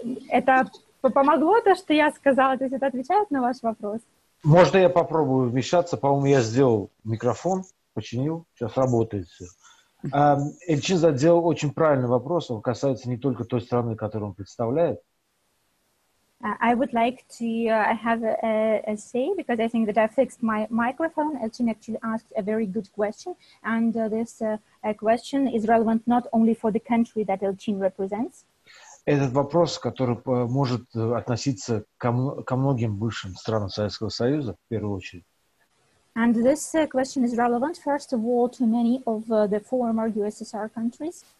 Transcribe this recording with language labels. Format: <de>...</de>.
<ru>Это помогло то, что я сказала? То есть это отвечает на ваш вопрос? Можно я попробую вмешаться? По-моему, я сделал микрофон, починил, сейчас работает все. Эльчин задел очень правильный вопрос, он касается не только той страны, которую он представляет.</ru> <en>I would like to have a say, because I think that I fixed my microphone. Elchin actually asked a very good question, and this question is relevant not only for the country that Elchin represents.</en> <ru>Этот вопрос, который может относиться ко многим бывшим странам Советского Союза, в первую очередь.</ru> <en>And this question is relevant, first of all, to many of the former USSR countries.</en>